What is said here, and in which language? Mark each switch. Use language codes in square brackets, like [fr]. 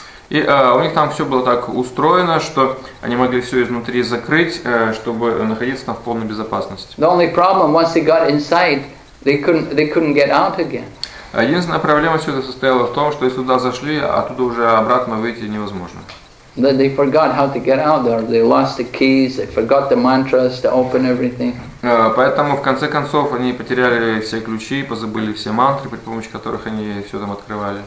[ru] И у них там все было так устроено, что они могли все изнутри закрыть, чтобы находиться там в полной безопасности. [en] The only problem, once they got inside, they couldn't get out again. [ru] Единственная проблема все это состояла в том, что если туда зашли, оттуда уже обратно выйти невозможно. [en] That they forgot how to get out there. They lost the keys, they forgot the mantras to open everything. [ru] Поэтому в конце концов они потеряли все ключи, позабыли все мантры, при помощи которых они все там открывали.